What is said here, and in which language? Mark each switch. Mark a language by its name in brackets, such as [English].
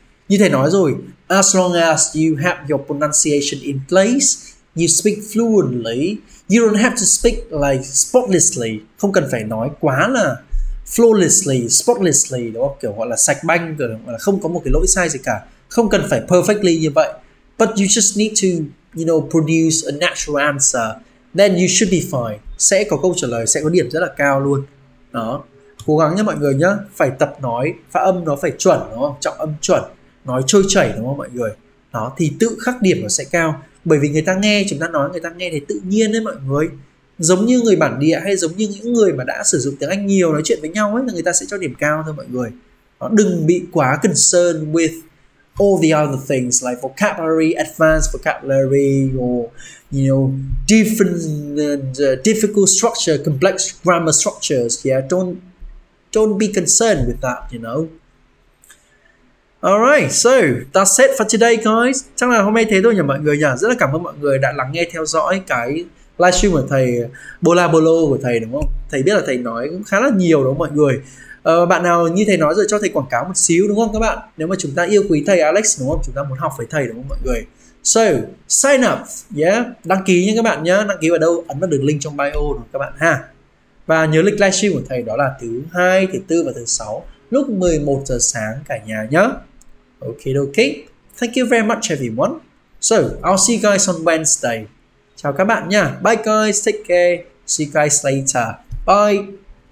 [Vietnamese] Như thầy nói rồi, [English] as long as you have your pronunciation in place, you speak fluently, you don't have to speak like spotlessly, [Vietnamese] không cần phải nói quá là [English] flawlessly, spotlessly, [Vietnamese] đúng không? Kiểu gọi là sạch banh, gọi là không có một cái lỗi sai gì cả, không cần phải perfectly như vậy. [English] But you just need to, you know, produce a natural answer, then you should be fine. [Vietnamese] Sẽ có câu trả lời, sẽ có điểm rất là cao luôn. Đó. Cố gắng nha mọi người nhá. Phải tập nói, phát âm nó phải chuẩn, đúng không? Trọng âm chuẩn, nói trôi chảy, đúng không mọi người? Đó. Thì tự khắc điểm nó sẽ cao. Bởi vì người ta nghe, chúng ta nói, người ta nghe thì tự nhiên đấy mọi người. Giống như người bản địa hay giống như những người mà đã sử dụng tiếng Anh nhiều nói chuyện với nhau ấy, là người ta sẽ cho điểm cao thôi mọi người. Đó. Đừng bị quá [English] concerned with all the other things like vocabulary, advanced vocabulary, or you know, different and difficult structure, complex grammar structures. Yeah, don't be concerned with that, you know. Alright, so that's it for today, guys. [Vietnamese] Chắc là hôm nay thế thôi nhỉ mọi người nhỉ. Rất là cảm ơn mọi người đã lắng nghe theo dõi cái livestream của thầy, bola bolo của thầy đúng không? Thầy biết là thầy nói cũng khá là nhiều đúng không mọi người. Bạn nào như thầy nói rồi cho thầy quảng cáo một xíu đúng không các bạn? Nếu mà chúng ta yêu quý thầy Alex đúng không? Chúng ta muốn học với thầy đúng không mọi người? [English] So, sign up, yeah, [Vietnamese] đăng ký nha các bạn nhé. Đăng ký vào đâu? Ấn vào đường link trong bio đúng không các bạn ha. Và nhớ lịch livestream của thầy đó là thứ 2, thứ 4 và thứ 6 lúc 11 giờ sáng cả nhà nhé. [English] Okay, okay. Thank you very much everyone. So, I'll see you guys on Wednesday. [Vietnamese] Chào các bạn nha. [English] Bye guys, take care. See you guys later. Bye.